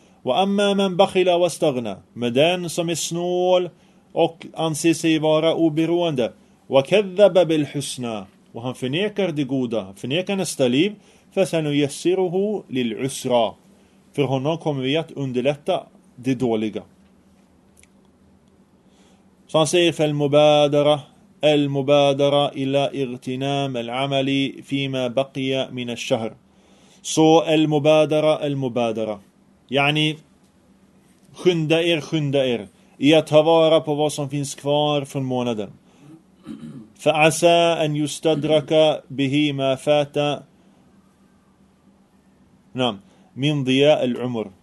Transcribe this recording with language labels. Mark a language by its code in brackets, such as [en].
[ar] Wa amma man bakhila wastagna, [sv] med den som är snål och anser sig vara oberoende. [ar] Wa kadhaba bil husna, [sv] och han förnekar det goda, förnekar nästa liv. [ar] Fasanu yassiruhu lil usra, [sv] för honom kommer vi att underlätta det dåliga. Så han säger, [ar] فَالْمُبَادَرَ الْمُبَادَرَ إِلَىٰ اِغْتِنَامَ الْعَمَلِ فِيمَا بَقِيَ مِنَ الشَّهْرِ. [sv] Så الْمُبَادَرَ يعني skynda er i att ta vara på vad som finns kvar från månaden. [ar] فَعَسَىٰ أَنْ يُسْتَدْرَكَ بِهِ مَا فَاتَ مِنْ ضِيَاءَ الْعُمُرِ.